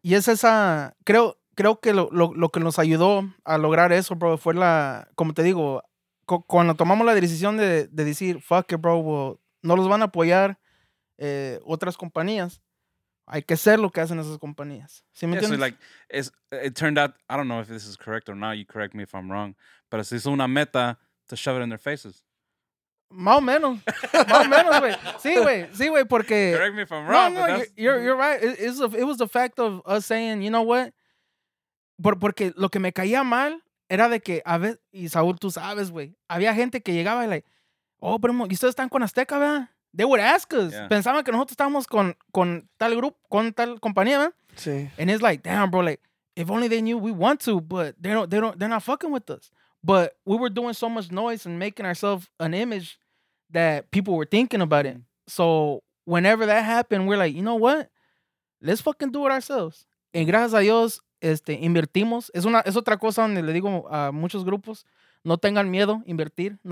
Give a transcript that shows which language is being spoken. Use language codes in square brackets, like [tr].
[es] Y es esa, creo que lo que nos ayudó a lograr eso, bro, fue la, como te digo, cuando tomamos la decisión de decir, [en] fuck it, [es] bro, no los van a apoyar otras compañías. Hay que ser lo que hacen esas compañías. ¿Sí me entiendes? [en] So like, it turned out, I don't know if this is correct or not, you correct me if I'm wrong, [es] pero se hizo una meta [en] to shove it in their faces. [es] Más o menos. Más o menos, güey. Sí, güey, porque... [en] Correct me if I'm wrong. No, you're right. It was the fact of us saying, you know what? [es] Porque lo que me caía mal era de que, a veces, y Saúl, tú sabes, güey, había gente que llegaba y like, oh, pero ¿y ustedes están con Azteca, verdad? [en] They would ask us. [es] Yeah. Pensaban que nosotros estábamos con tal grupo, con tal compañía, ¿verdad? Sí. [en] And it's like, damn, bro, like, if only they knew we want to, but they're not fucking with us. But we were doing so much noise and making ourselves an image that people were thinking about it. So whenever that happened, we're like, you know what? Let's fucking do it ourselves. [es] Y gracias a Dios, invertimos. Es otra cosa donde le digo a muchos grupos, no tengan miedo invertir.